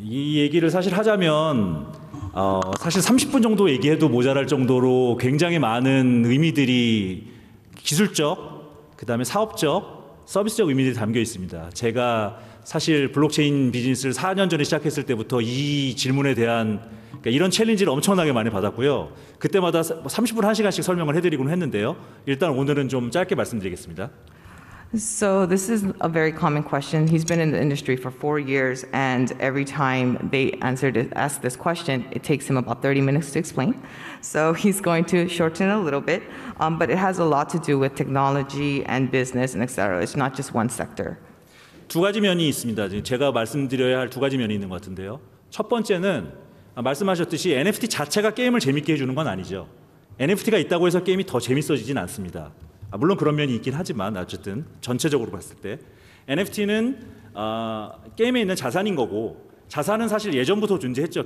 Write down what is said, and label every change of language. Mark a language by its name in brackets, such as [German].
[Korean] 이 얘기를 사실 하자면 사실 30분 정도 얘기해도 모자랄 정도로 굉장히 많은 의미들이 기술적, 그다음에 사업적, 서비스적 의미들이 담겨 있습니다. 제가 사실 블록체인 비즈니스를 4년 전에 시작했을 때부터 이 질문에 대한 그러니까 이런 챌린지를 엄청나게 많이 받았고요. 그때마다 30분 1시간씩 설명을 해드리곤 했는데요. 일단 오늘은 좀 짧게 말씀드리겠습니다. [English] So this is a very common question. He's been in the industry for 4 years, and every time they ask this question, it takes him about 30 minutes to explain. So he's going to shorten a little bit, but it has a lot to do with technology and business and et cetera. It's not just one sector. [Korean] 두 가지 면이 있습니다. 제가 말씀드려야 할 두 가지 면이 있는 것 같은데요. 첫 번째는 말씀하셨듯이 NFT 자체가 게임을 재밌게 해주는 건 아니죠. NFT가 있다고 해서 게임이 더 재밌어지진 않습니다. 물론 그런 면이 있긴 하지만 어쨌든 전체적으로 봤을 때 NFT는 게임에 있는 자산인 거고 자산은 사실 예전부터 존재했죠.